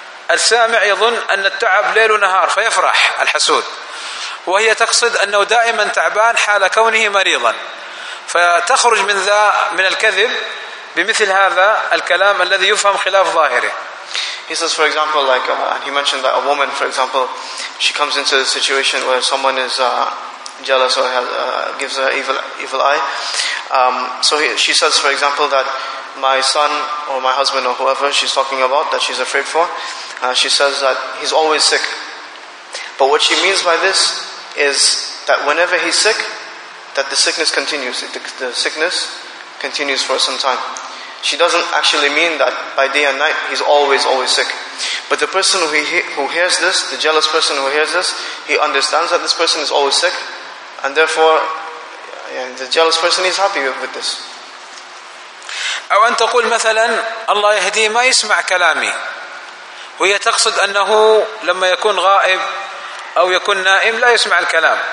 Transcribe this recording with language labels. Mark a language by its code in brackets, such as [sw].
[ar] السامع يظن أن التعب ليل ونهار فيفرح الحسود, وهي تقصد أنه دائما تعبان حال كونه مريضا, فتخرج من ذا من الكذب بمثل هذا الكلام الذي يفهم خلاف ظاهره. [en] He says, for example, like he mentioned that a woman, for example, she comes into the situation where someone is jealous or gives her evil eye. So she says, for example, that my son or my husband or whoever she's talking about that she's afraid for, she says that he's always sick. But what she means by this is that whenever he's sick, that the sickness continues. The sickness continues for some time. She doesn't actually mean that by day and night he's always sick. But the person who hears this, the jealous person who hears this, he understands that this person is always sick, and therefore, yeah, the jealous person is happy with this. [ar] أو أن تقول مثلاً الله يهدي ما يسمع كلامي, وهي تقصد أنه لما يكون غائب أو يكون نائم لا يسمع الكلام.